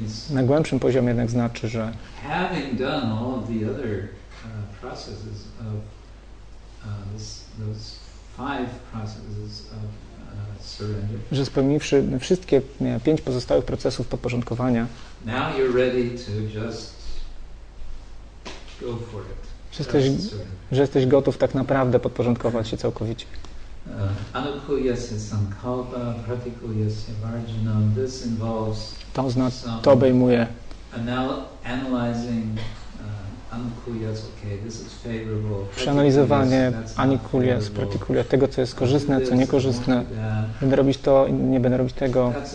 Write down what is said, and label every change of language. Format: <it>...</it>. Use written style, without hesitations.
<pl>Na głębszym poziomie jednak znaczy, że</pl> <en>having done all of the other processes of those five processes of surrender,</en> <pl>że spełniwszy wszystkie pięć pozostałych procesów podporządkowania,</pl> <en>now you're ready to just go for it.</en> <pl>Że jesteś gotów tak naprawdę podporządkować się całkowicie.</pl> <sa>Anukhuyasya sankalpa, pratikhuyasya marjanam.</sa> <en>This involves</en> <pl>to obejmuje</pl> <en>analyzing anukhuyas, okay, this is favorable.</en> <pl>Przeanalizowanie anukhuyas, pratikhuya, tego, co jest korzystne, co niekorzystne. Będę robić to, nie będę robić tego.</pl>